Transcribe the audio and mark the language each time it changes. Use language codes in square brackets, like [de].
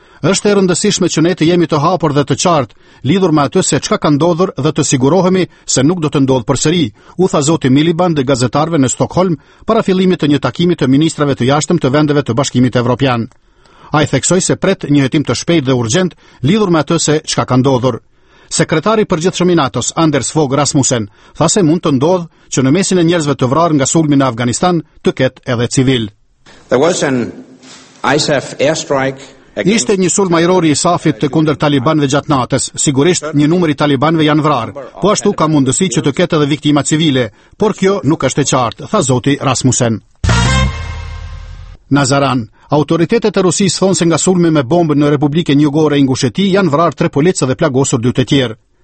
[sq] Është e rëndësishme që ne të jemi të hapur dhe të qartë lidhur me atë se çka ka ndodhur dhe të sigurohemi se nuk do të ndodhë përsëri, u tha zoti Miliband gazetarëve në Stockholm para fillimit të një takimi të ministrave të jashtëm të vendeve të Bashkimit Evropian. Ai theksoi se pret një hetim të shpejtë dhe urgjent lidhur me atë se çka ka ndodhur. Sekretari përgjithshëm i NATO-s, Anders Fogh Rasmussen, tha se mund të ndodhë që në mesin e njerëzve të vrarë nga sulmi në Afganistan të ketë edhe civil. [en] There was an ISAF airstrike. [sq] Ishte një sulm ajror i ISAF-it të kundër talibanëve gjatë natës. Sigurisht, një numër i talibanëve janë vrarë, po ashtu ka mundësi që të ketë edhe viktima civile, por kjo nuk është e qartë, tha zoti Rasmussen. Nazaran. Autoritetet e Rusisë thonë se nga sulmi me bombë në Republikën Jugore Ingusheti janë vrarë 3 policë dhe plagosur 2 të tjerë.